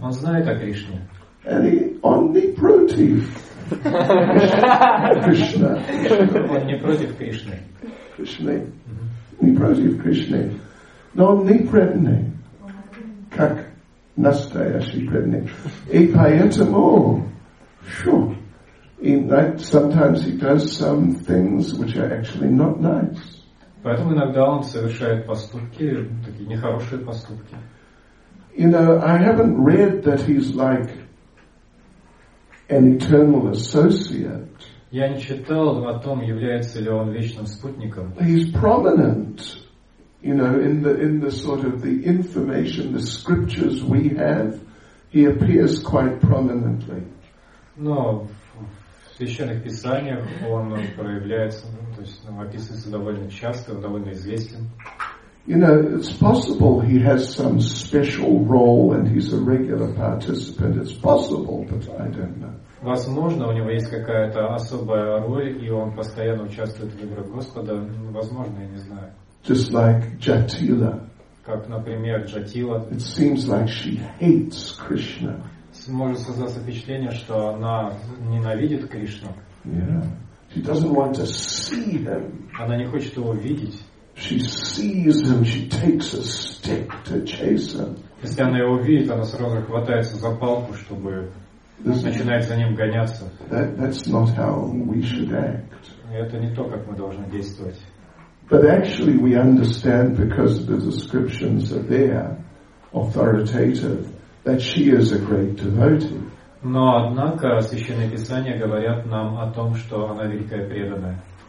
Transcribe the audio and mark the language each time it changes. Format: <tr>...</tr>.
<ru>Он знает о Кришне.</ru> <en>And he omnipotent. Krishna.</en> <ru>Он не против Кришны. Не против Кришны. Но omnipotent. Как настоящий преданный. И поэтому,</ru> <en>sometimes he does some things which are actually not nice.</en> <ru>Поэтому иногда он совершает поступки, такие нехорошие поступки.</ru> <en>You know, I haven't read that he's like an eternal associate.</en> <ru>Я не читал о том, является ли он вечным спутником.</ru> <en>He's prominent, you know, in the sort of the information, the scriptures we have, he appears quite prominently.</en> <ru>Но в священных писаниях он проявляется. То есть, описывается довольно часто, довольно известен.</ru> <en>You know, it's possible he has some special role and he's a regular participant. It's possible, but I don't know.</en> <ru>Возможно, у него есть какая-то особая роль, и он постоянно участвует в играх Господа. Возможно, я не знаю.</ru> <en>Just like Jatila.</en> <ru>Как, например, Jatila.</ru> <en>It seems like she hates Krishna.</en> <ru>Может создаться впечатление, что она ненавидит Кришну.</ru> <en>Yeah. She doesn't want to see him.</en> <ru>Она не хочет его видеть.</ru> <en>She sees him. She takes a stick to chase him.</en> <ru>Если она его видит, она сразу хватается за палку, чтобы начинает за ним гоняться.</ru> <en>That's not how we should act.</en> <ru>Это не то, как мы должны действовать.</ru> <en>But actually we understand, because the descriptions are there, authoritative, that she is a great devotee.</en> <ru>Но однако Священные Писания говорят нам о том, что она великая преданная.</ru>